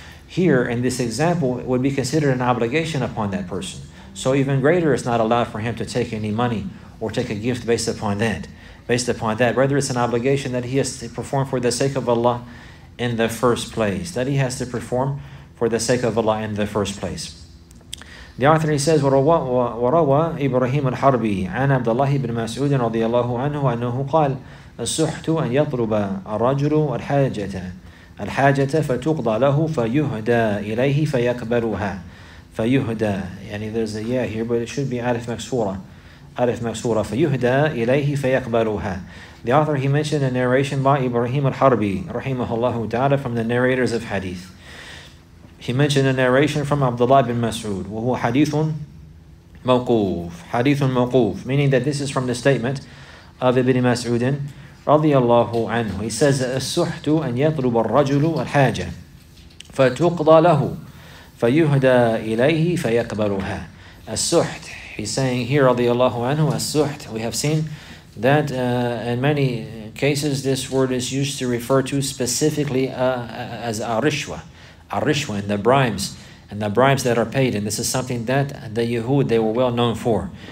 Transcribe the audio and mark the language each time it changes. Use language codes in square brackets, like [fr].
[en] here in this example would be considered an obligation upon that person. So even greater is not allowed for him to take any money or take a gift based upon that. Based upon that, whether it's an obligation that he has to perform for the sake of Allah in the first place. That he has to perform for the sake of Allah in the first place. The author, he says, [ar] وَرَوَى إِبْرَهِيمُ الْحَرْبِي عَنْ عَبْدَ اللَّهِ بْنِ مَسْعُودٍ رَضِيَ اللَّهُ عَنْهُ أَنَّهُ قَالَ السُّحْتُ أَنْ يَطْلُبَ الرَّجُلُ الْحَاجَةَ فَتُقْضَى لَهُ فَيُهْدَى إِلَيْهِ فَيَكْبَرُهَا فَيُهْدَى. [en] يعني there's a yeah here, but it should be Alif Maksura. [ar] Alif Maksura. فَيُهْدَى إِلَيْهِ فَيَكْبَرُهَا. [en] The author, he mentioned a narration by Ibrahim al-Harbi, rahimahullahu ta'ala, from the narrators of hadith. He mentioned a narration from Abdullah bin Mas'ud, [ar] وهو حديث موقوف, [en] meaning that this is from the statement of Ibn Mas'ud [ar] رضي الله عنه. [en] He says, [ar] السحت أن يطلب الرجل الحاجة فتقضى له فيهدى إليه فيقبلها. [en] السحت, he's saying here, [ar] رضي الله عنه, [en] السحت, we have seen that in many cases this word is used to refer to specifically as arishwa. Arishwa, and the bribes that are paid. And this is something that the Yahud, they were well known for.